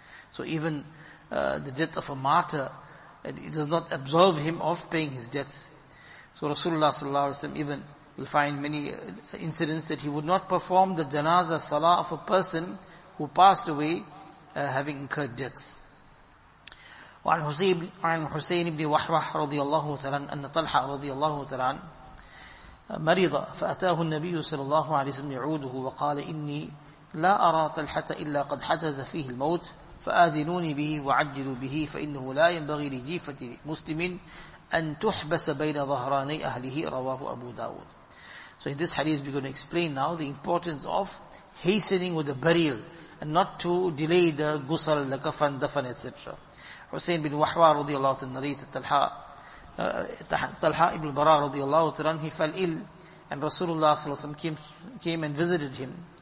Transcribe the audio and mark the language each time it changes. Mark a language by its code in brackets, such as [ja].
[en] So even the death of a martyr, it does not absolve him of paying his debts. So Rasulullah sallallahu alayhi wa sallam, even we'll find many incidents that he would not perform the janazah salah of a person who passed away having incurred debts. [ar] وعن حسين بن وحوح رضي الله تعالى أن طلحة رضي الله تعالى مريض فأتاه النبي صلى الله عليه وسلم يعوده وقال إني لا أرى طلحة إلا قد حدث فيه الموت فآذنوني به وعجلوا به فإنه لا ينبغي لجيفة مسلم أن تحبس بين ظهراني أهله رواه أبو داود. [en] So in this hadith we're going to explain now the importance of hastening with the burial and not to delay the ghusl, the kafan, dafan, etc. Hussein bin Wahwa radiallahu ta'ala narrated Talha ibn Bara radiallahu ta'ala, he fell ill and Rasulullah sallallahu alayhi wa sallam came and visited him.